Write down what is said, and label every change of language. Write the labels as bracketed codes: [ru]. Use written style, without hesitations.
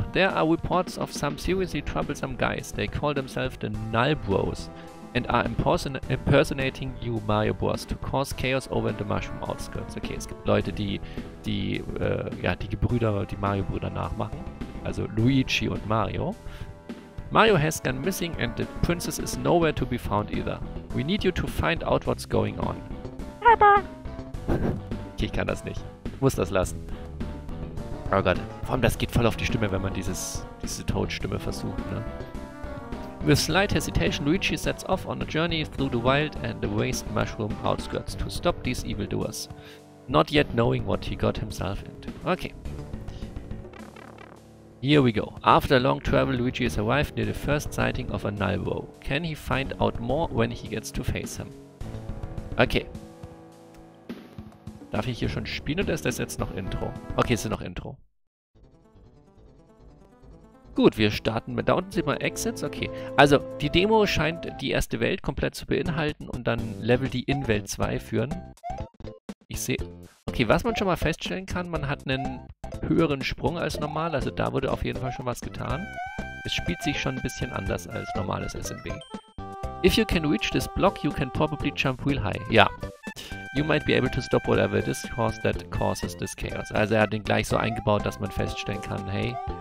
[en] There are reports of some seriously troublesome guys. They call themselves the Null Bros and are impersonating you, Mario Bros, to cause chaos over in the Mushroom Outskirts. [de] Okay, es gibt Leute, die Gebrüder, die Mario-Brüder nachmachen. Also Luigi und Mario. [en] Mario has gone missing and the princess is nowhere to be found either. We need you to find out what's going on. [de] Aber. Ich kann das nicht. Muss das lassen. Oh Gott. Vor allem, das geht voll auf die Stimme, wenn man diese Toad-Stimme versucht, ne? [en] With slight hesitation, Luigi sets off on a journey through the wild and the waste mushroom outskirts to stop these evildoers. Not yet knowing what he got himself into. Okay. Here we go. After long travel, Luigi has arrived near the first sighting of a Nalbo. Can he find out more when he gets to face him? Okay. [de] Darf ich hier schon spielen oder ist das jetzt noch Intro? Okay, es ist noch Intro. Gut, wir starten mit. Da unten sieht man Exits. Okay. Also, die Demo scheint die erste Welt komplett zu beinhalten und dann Level, die in Welt 2 führen. Ich sehe. Okay, was man schon mal feststellen kann, man hat einen höheren Sprung als normal. Also da wurde auf jeden Fall schon was getan. Es spielt sich schon ein bisschen anders als normales SMB. [en] If you can reach this block, you can probably jump real high. Ja. You might be able to stop whatever it is horse that causes this chaos. [de] Also er hat den gleich so eingebaut, dass man feststellen kann, hey.